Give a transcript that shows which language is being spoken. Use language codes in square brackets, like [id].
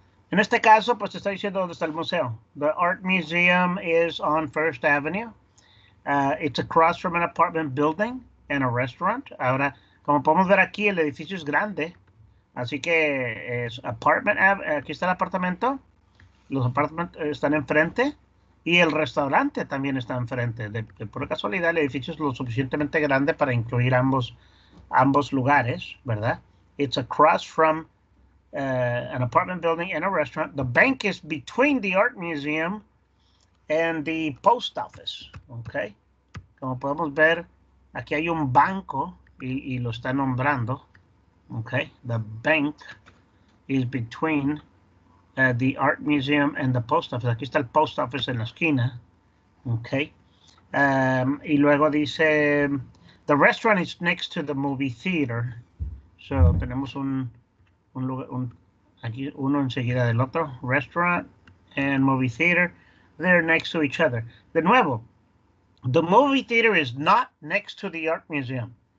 [es] En este caso, pues te está diciendo dónde está el museo. [en] The art museum is on First Avenue. It's across from an apartment building. [es] En un restaurant. Ahora, como podemos ver aquí, el edificio es grande. Así que es apartment. Aquí está el apartamento. Los apartamentos están enfrente. Y el restaurante también está enfrente. De pura casualidad, el edificio es lo suficientemente grande para incluir ambos lugares, ¿verdad? [en] It's across from an apartment building and a restaurant. The bank is between the art museum and the post office, okay? [es] Como podemos ver, aquí hay un banco y lo está nombrando, okay? [en] The bank is between the art museum and the post office. [es] Aquí está el post office en la esquina, okay? Y luego dice, [en] the restaurant is next to the movie theater. [es] So, tenemos un lugar, un, aquí uno enseguida del otro, [en] restaurant and movie theater. They're next to each other. [es] De nuevo, [en] the movie theater is not next to the art museum.